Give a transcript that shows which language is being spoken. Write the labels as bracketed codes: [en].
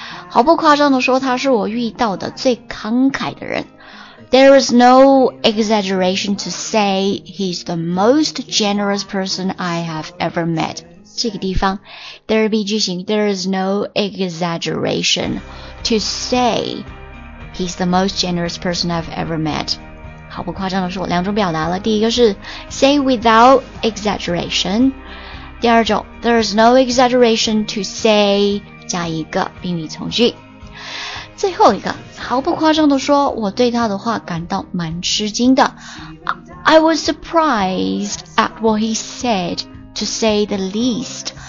[zh] 毫不夸张地说，他是我遇到的最慷慨的人。 [en] There is no exaggeration to say he's the most generous person I have ever met. [zh] 这个地方 [en] there be [zh] 句型 [en] there is no exaggeration to say he's the most generous person I've ever met. 毫不夸张地说，两种表达了，第一个是 say without exaggeration，第二种 there is no exaggeration to say 加一个宾语从句。 [zh] 最后一个，毫不夸张地说，我对他的话感到蛮吃惊的。 [en] I was surprised at what he said, to say the least.